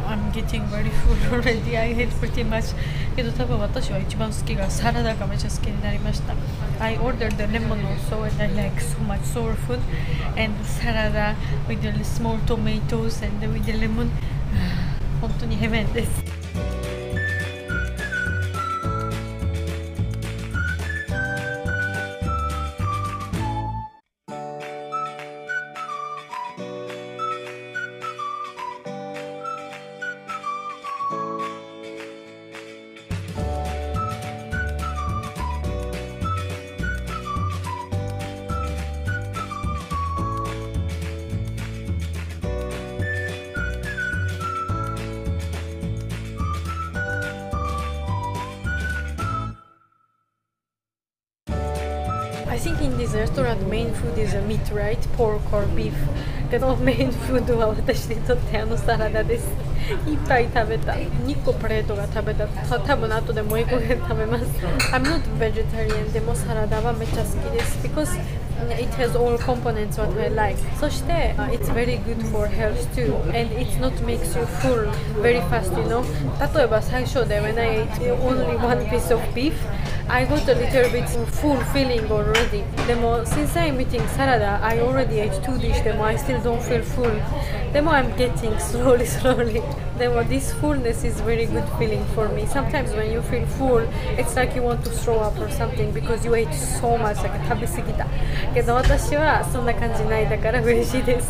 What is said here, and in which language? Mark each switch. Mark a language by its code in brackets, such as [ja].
[en] I'm getting very full already. I hate pretty much. [ja] けど多分私は一番好きがサラダがめちゃ好きになりました。 [en] I ordered the lemon also and I like so much sour food and salad with the small tomatoes and with the lemon. [ja] 本当にヘベンです。 [en] I think in this restaurant, the main food is a meat, right? Pork or beef. But the main food [ja] は私にとってあのサラダです。いっぱい食べた。 [en] 2個プレートが食べた。多分後でもう1個で食べます。 I'm not vegetarian, [ja] でもサラダはめっちゃ好きです。 [en] Because it has all components what I like. [ja] そして、 [en] it's very good for health too. And it not makes you full very fast, you know? [ja] 例えば最初で、 [en] when I ate only one piece of beef, I got a little bit full feeling already. [ja] でも [en] since I'm eating salad, I already ate two dish. でも I still don't feel full. [ja] でも [en] I'm getting slowly, slowly. でも this fullness is very good feeling for me. Sometimes when you feel full, it's like you want to throw up or something because you ate so much. Like [ja] 食べ過ぎた。けど私はそんな感じないだから嬉しいです。